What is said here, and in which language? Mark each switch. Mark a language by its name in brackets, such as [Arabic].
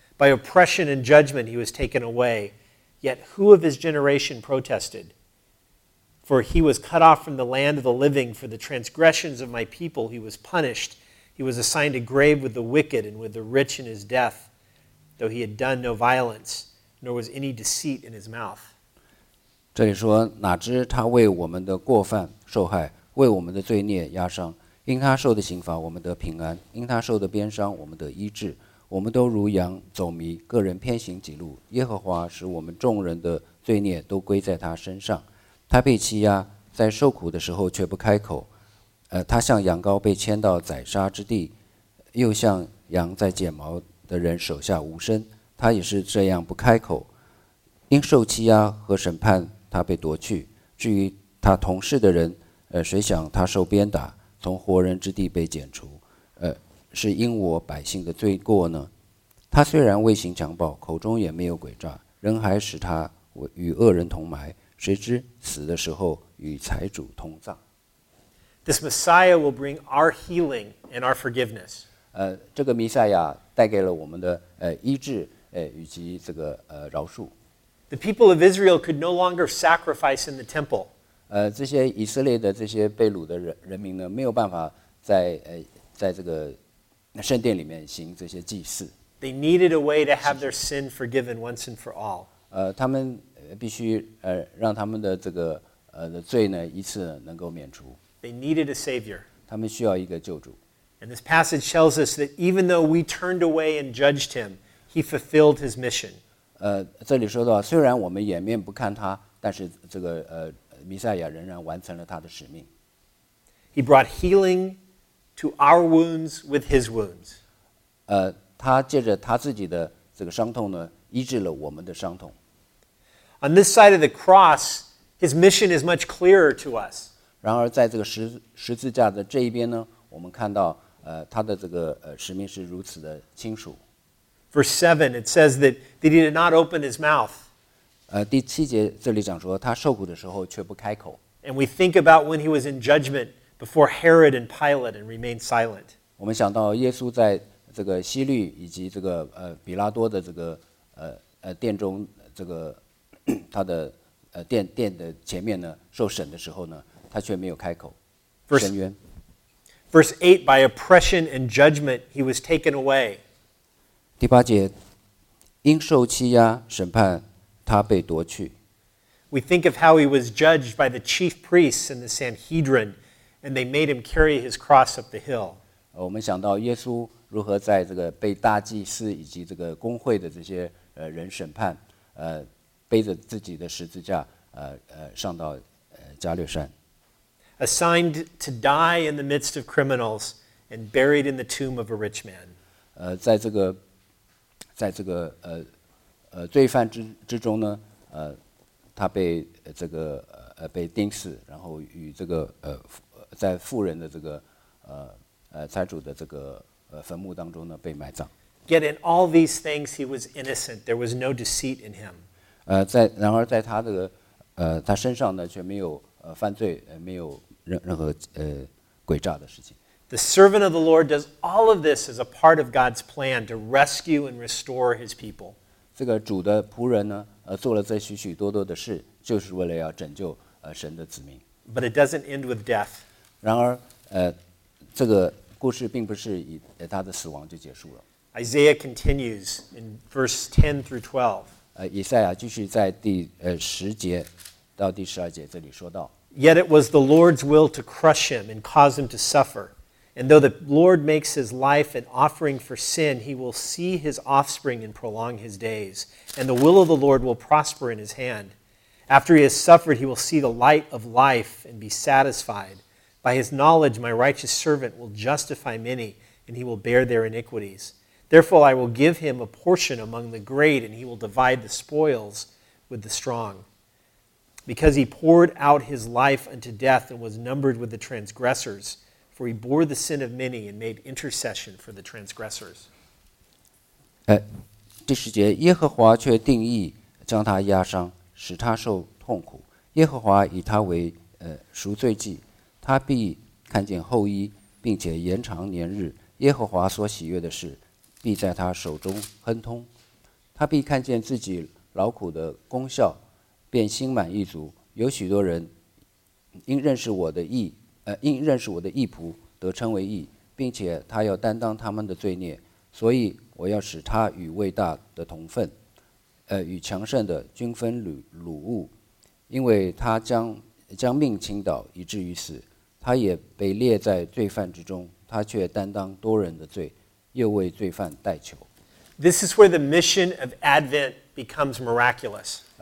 [English] By oppression and judgment he was taken away. Yet who of his generation protested? For he was cut off from the land of the living. For the transgressions of my people he was punished. He was assigned a grave with the wicked and with the rich in his death, though he had done no violence, nor was any deceit in his mouth. [Chinese] 这里说，哪知他为我们的过犯受害，为我们的罪孽压伤。因他受的刑罚，我们得平安；因他受的鞭伤，我们得医治。我们都如羊走迷，个人偏行己路。耶和华使我们众人的罪孽都归在他身上。他被欺压，在受苦的时候却不开口。他像羊羔被牵到宰杀之地，又像羊在剪毛的人手下无声。他也是这样不开口，因受欺压和审判，他被夺去。至于他同事的人，谁想他受鞭打，从活人之地被剪除？是因我百姓的罪过呢？他虽然未行强暴，口中也没有诡诈，仍还使他与恶人同埋。谁知死的时候与财主同葬。 [English] This Messiah will bring our healing and our forgiveness. [Chinese] 这个弥赛亚带给了我们的医治以及这个饶恕。 [English] The people of Israel could no longer sacrifice in the temple. [Chinese] 这些以色列的这些被掳的人民呢，没有办法在这个圣殿里面行这些祭祀。 [English] They needed a way to have their sin forgiven once and for all. [Chinese] 他们必须让他们的这个的罪呢一次能够免除。 [English] They needed a savior. [Chinese] 他们需要一个救主。 [English] And this passage tells us that even though we turned away and judged him, he fulfilled his mission. [Chinese] 这里说到，虽然我们掩面不看他，但是这个弥赛亚仍然完成了他的使命。 [English] He brought healing to our wounds with his wounds. [Chinese] 他借着他自己的这个伤痛呢，医治了我们的伤痛。 [English] On this side of the cross, his mission is much clearer to us. [Chinese] 然而在这个十字架的这一边呢，我们看到他的这个使命是如此的清楚。 [English] Verse 7, it says that he did not open his mouth. [Chinese] 第七节这里讲说，他受苦的时候却不开口。 [English] And we think about when he was in judgment before Herod and Pilate and remained silent. [Chinese] 我们想到耶稣在这个希律以及这个比拉多的这个殿中这个他的殿的前面呢受审的时候呢，他却没有开口申冤。 [English] Verse 8, by oppression and judgment he was taken away. [Chinese] 第八节，因受欺压审判他被夺去。 [English] We think of how he was judged by the chief priests and the Sanhedrin, and they made him carry his cross up the hill. [Chinese] 我们想到耶稣如何在这个被大祭司以及这个公会的这些人审判，背着自己的十字架，上到加略山。 [English] Assigned to die in the midst of criminals and buried in the tomb of a rich man. [Chinese] 在这个罪犯之中呢，他被这个被钉死，然后与这个在富人的这个财主的这个坟墓当中呢被埋葬。 [English] Yet in all these things he was innocent. There was no deceit in him. [Chinese] 然而在他这个他身上呢却没有犯罪，没有任何诡诈的事情。 [English] The servant of the Lord does all of this as a part of God's plan to rescue and restore His people. [Chinese] 这个主的仆人呢，做了这许许多多的事，就是为了要拯救神的子民。 [English] But it doesn't end with death. [Chinese] 然而，这个故事并不是以他的死亡就结束了。 [English] Isaiah continues in verse 10 through 12. [Chinese] 以赛亚继续在第十节到第十二节这里说到。 [English] Yet it was the Lord's will to crush him and cause him to suffer. And though the Lord makes his life an offering for sin, he will see his offspring and prolong his days. And the will of the Lord will prosper in his hand. After he has suffered, he will see the light of life and be satisfied. By his knowledge, my righteous servant will justify many, and he will bear their iniquities. Therefore, I will give him a portion among the great, and he will divide the spoils with the strong. Because he poured out his life unto death and was numbered with the transgressors, for he bore the sin of many and made intercession for the transgressors. [Chinese] 第十节，耶和华却定义将他压伤，使他受痛苦。耶和华以他为赎罪祭，他必看见后裔，并且延长年日。耶和华所喜悦的事，必在他手中亨通。他必看见自己劳苦的功效。便心满意足，有许多人因认识我的义，因认识我的义仆得称为义，并且他要担当他们的罪孽，所以我要使他与伟大的同分，与强盛的均分掳物，因为他将命倾倒以至于死，他也被列在罪犯之中，他却担当多人的罪，又为罪犯代求。 [English] This is where the mission of Advent becomes miraculous.